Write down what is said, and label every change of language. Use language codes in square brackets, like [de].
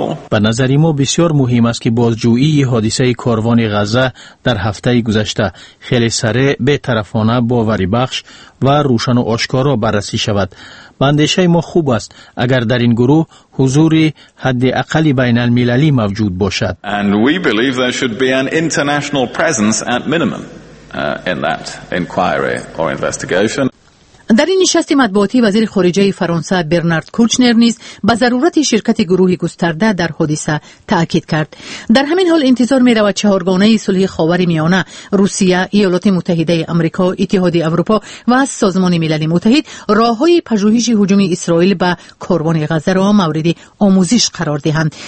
[fa] به نظر ما بسیار مهم است که بازجویی حادثه کاروان غزه در هفته گذشته خیلی سریع، بی‌طرفانه، باوری بخش و روشن و آشکارا بررسی شود. بندیشه ما خوب است اگر در این گروه حضور حد اقل بین المللی موجود باشد. [en] And we believe there should be an international presence at minimum in that inquiry or investigation. [fa] در این نشست مطبوعاتی وزیر خارجه فرانسه برنارد کوچنر نیز به ضرورت شرکت گروه گسترده در حادثه تاکید کرد. در همین حال انتظار می رود چهارگانه صلح خاورمیانه، روسیه، ایالات متحده آمریکا، اتحاد اروپا و سازمان ملل متحد راه های پژوهش هجوم اسرائیل به کاروان غزه را مورد آموزش قرار دهند.